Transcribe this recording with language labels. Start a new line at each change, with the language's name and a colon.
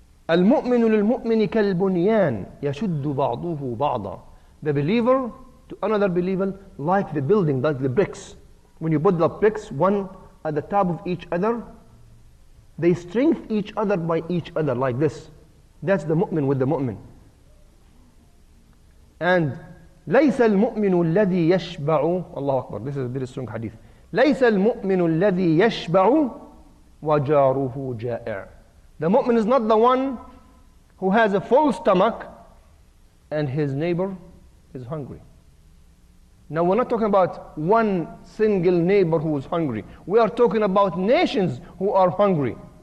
Arabic: المؤمن للمؤمن كالبنيان يشد بعضه بعضا.
English: The believer to another believer like the building, like the bricks. When you put the bricks one at the top of each other, they strengthen each other by each other like this. That's the mu'min with the mu'min. And
Arabic: ليس المؤمن الذي يشبع, الله أكبر,
English: this is a very strong hadith.
Arabic: ليس المؤمن الذي يشبع وجاره جائع.
English: The mu'min is not the one who has a full stomach and his neighbor is hungry. Now we're not talking about one single neighbor who is hungry. We are talking about nations who are hungry.